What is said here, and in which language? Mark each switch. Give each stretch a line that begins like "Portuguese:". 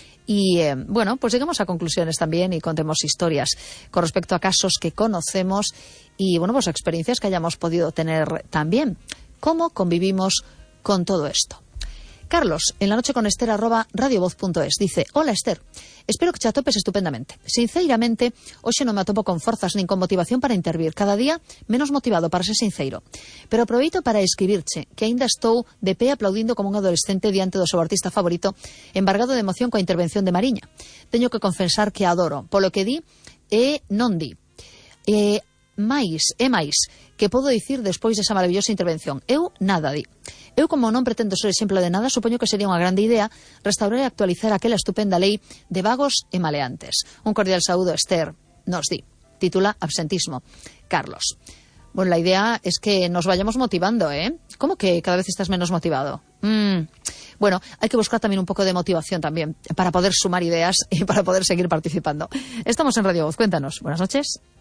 Spanish: Y, bueno, pues lleguemos a conclusiones también y contemos historias con respecto a casos que conocemos y, bueno, pues experiencias que hayamos podido tener también. ¿Cómo convivimos con todo esto? Carlos, en la noche con Esther, @radiovoz.es, dice:
Galician: hola Esther, espero que te atopes estupendamente. Sinceramente, hoxe non me atopo con forzas nin con motivación para intervir. Cada día menos motivado, para ser sincero. Pero aproveito para escribirche que aínda estou de pé aplaudindo como un adolescente diante do seu artista favorito, embargado de emoción coa intervención de Mariña. Teño que confesar que adoro, polo que di e non di. Máis, que podo dicir despois desa maravillosa intervención? Eu nada di. Eu, como non pretendo ser exemplo de nada, supoño que sería unha grande idea restaurar e actualizar aquela estupenda lei de vagos e maleantes. Un cordial saúdo, Esther, nos di. Titula Absentismo, Carlos.
Spanish: Bueno, la idea es que nos vayamos motivando, ¿eh? ¿Cómo que cada vez estás menos motivado? Bueno, hay que buscar también un poco de motivación también para poder sumar ideas y para poder seguir participando. Estamos en Radio Voz, cuéntanos. Buenas noches.